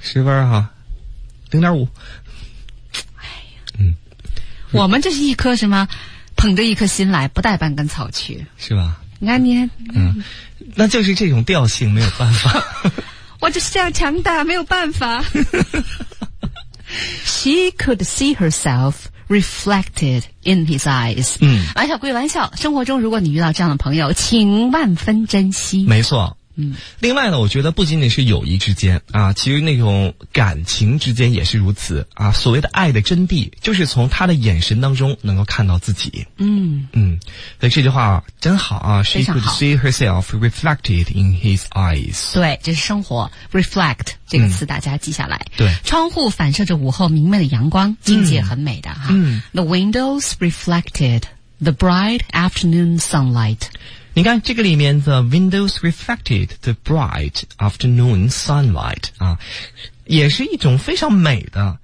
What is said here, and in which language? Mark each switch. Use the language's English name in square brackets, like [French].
[Chinese] 十分哈，0.5。我们这是一颗什么？捧着一颗心来，不带半根草去，是吧？你看你，那就是这种调性，没有办法。我就是这样强大，没有办法。 [English] She could see herself reflected in his eyes。 [Chinese] 玩笑归玩笑，生活中如果你遇到这样的朋友，请万分珍惜。没错。另外呢，我觉得不仅仅是友谊之间啊，其实那种感情之间也是如此啊。所谓的爱的真谛，就是从他的眼神当中能够看到自己。所以这句话真好啊。非常好。 [English] She could see herself reflected in his eyes。 [Chinese] 对，这是生活 reflect 这个词，大家记下来。对，窗户反射着午后明媚的阳光，境界很美的哈。 [English] The windows reflected the bright afternoon sunlight。 [Chinese] 你看这个里面 The windows reflected the bright afternoon sunlight 啊，也是一种非常美的。